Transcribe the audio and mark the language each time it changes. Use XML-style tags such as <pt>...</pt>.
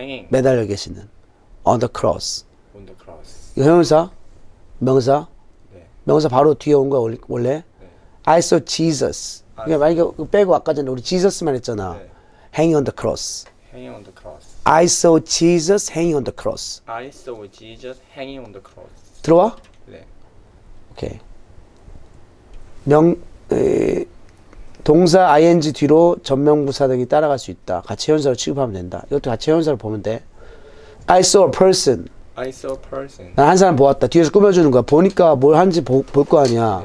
<ko>매달려 계시는</ko> <en>on the cross.</en> <ko>이거 형용사? 명사? 명사 바로 뒤에 온 거야 원래? 네.</ko> <en>I saw Jesus.</en> <ko>그러니까 만약에 그거 빼고 아까 전에 우리 Jesus만 했잖아. 네.</ko> <en>Hanging on the cross. I saw Jesus hanging on the cross. I saw Jesus hanging on the cross.</en> <ko>들어와? 네. 오케이. 명 동사 ing 뒤로 전명부사 등이 따라갈 수 있다. 같이 형용사로 취급하면 된다. 이것도 같이 형용사로 보면 돼.</ko> <en>I saw a person.</en> <ko>난 한 사람 보았다. 뒤에서 꾸며주는 거야. 보니까 뭘 하는지 볼 거 아니야.</ko>